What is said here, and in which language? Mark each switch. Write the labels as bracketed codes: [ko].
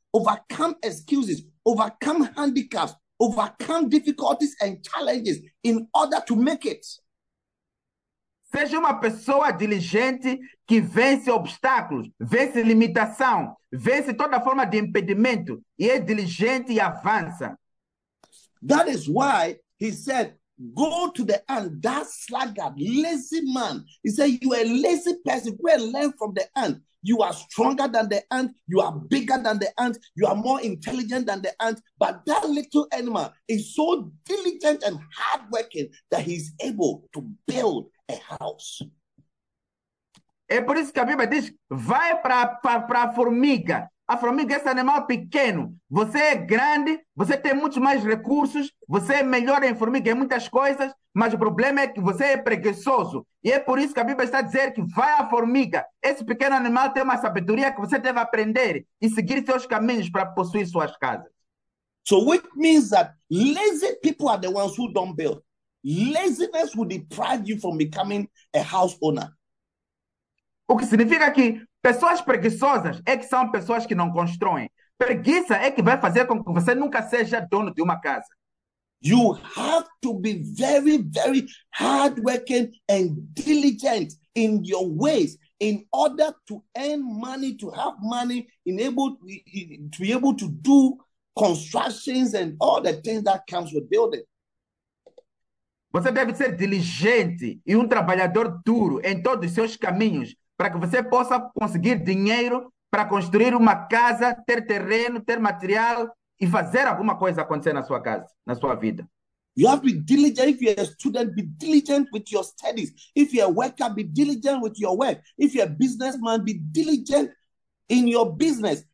[en] Overcome excuses, overcome handicaps, overcome difficulties and challenges in order to make it. [pt] Seja uma pessoa diligente que vence obstáculos, vence limitação, vence toda forma de impedimento e é diligente e avança. [en] That is why he said, go to the ant, that sluggard, lazy man. He said, you are a lazy person. Go and learn from the ant. You are stronger than the ant. You are bigger than the ant. You are more intelligent than the ant. But that little animal is so diligent and hardworking that he's able to build a house. [pt] É por isso que a Bíblia diz: vai para a formiga. A formiga é esse animal pequeno. Você é grande, você tem muitos mais recursos, você é melhor em formiga em muitas coisas, mas o problema é que você é preguiçoso. E é por isso que a Bíblia está a dizer que vai à formiga. Esse pequeno animal tem uma sabedoria que você deve aprender e seguir seus caminhos para possuir suas casas. [en] So, which means that lazy people are the ones who don't build. Laziness will deprive you from becoming a house owner. [pt] O que significa que pessoas preguiçosas é que são pessoas que não constroem. Preguiça é que vai fazer com que você nunca seja dono de uma casa. [en] You have to be very, very hardworking and diligent in your ways in order to earn money, to have money, to be able to do constructions and all the things that comes with building. [pt] Você deve ser diligente e um trabalhador duro em todos os seus caminhos, para que você possa conseguir dinheiro para construir uma casa, ter terreno, ter material e fazer alguma coisa acontecer na sua casa, na sua vida. [en] You have to be diligent. If you're a student, be diligent with your studies. If you're a worker, be diligent with your work. If you're a businessman, be diligent in your business.